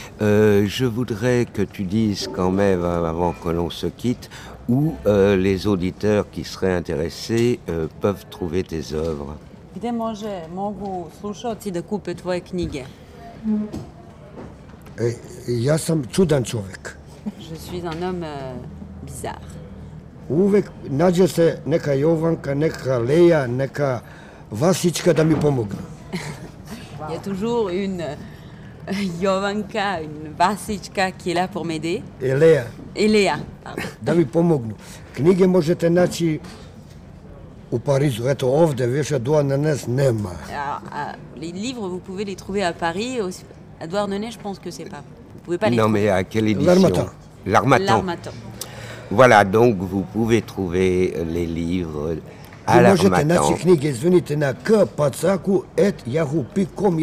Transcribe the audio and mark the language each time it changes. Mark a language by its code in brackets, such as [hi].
[fr] Je voudrais que tu dises quand même, avant que l'on se quitte, où les auditeurs qui seraient intéressés peuvent trouver tes œuvres. [sr] Gdje može, mogu slušalci da kupe tvoje knjige? Ja sam čudan čovjek. [fr] Je suis un homme bizarre. [sr] Uvek nađe se neka Jovanka, neka Leja, neka Vasička da mi pomogne. [fr] Il y a toujours une Jovanka, une Vasička qui est là pour m'aider. Et Leja. Et Leja. [sr] Da mi pomognu. Knjige možete naći u Parizu. Eto ovde, više Douarnenez nema. [fr] Les livres, vous pouvez les trouver à Paris. Aussi. À Douarnenez, je pense que c'est pas. Vous pouvez pas les non, trouver. Non, mais à quelle édition? L'Harmattan. L'Harmattan. L'Harmattan. Voilà, donc vous pouvez trouver les livres à l'Harmattan. Vous pouvez trouver les livres à l'Harmattan. Vous pouvez trouver les livres à k.pacaku@yahoo.com.